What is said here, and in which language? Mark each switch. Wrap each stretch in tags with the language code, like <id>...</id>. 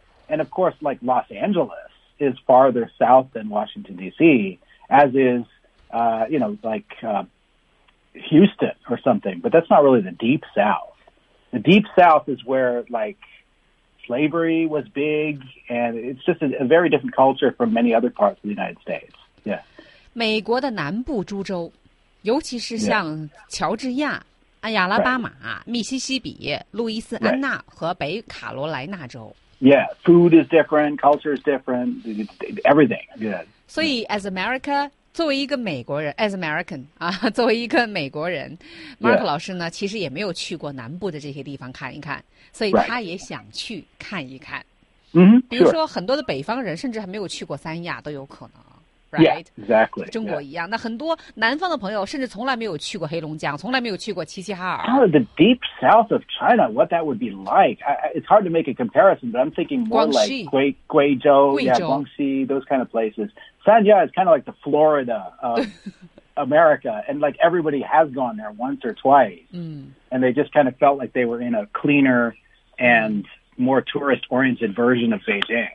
<en>And of course, like Los Angeles is farther south than Washington, D.C., as is, you know, like Houston or something. But that's not really the Deep South. The Deep South is where, like, slavery was big, and it's just a very different culture from many other parts of the United States. Yeah.</en> <zh>美国的南部诸州，尤其是像乔治亚、亚拉巴马、密西西比、路易斯安那和北卡罗来纳州。</zh> <en>Yeah, food is different, culture is different, everything. Yeah.</en> <zh>所以 ，</zh> <en>as America，</en> <zh>作为一个美国人 ，</zh> <en>as American</en> <zh>啊，作为一个美国人 ，Mark 老师呢，其实也没有去过南部的这些地方看一看，所以他也想去看一看。嗯，比如说很多的北方人，甚至还没有去过三亚都有可能 ，right？</zh> <en>Yeah, exactly，</en> <zh>中国一样。那很多南方的朋友，甚至从来没有去过黑龙江，从来没有去过齐齐哈尔。</zh> <en>The deep south of China, what that would be like? It's hard to make a comparison, but I'm thinking more like Guizhou, yeah, Guangxi, those kind of places. San Diego is kind of like the Florida of America, and like everybody has gone there once or twice, and they just kind of felt like they were in a cleaner and more tourist-oriented version of Beijing.</en>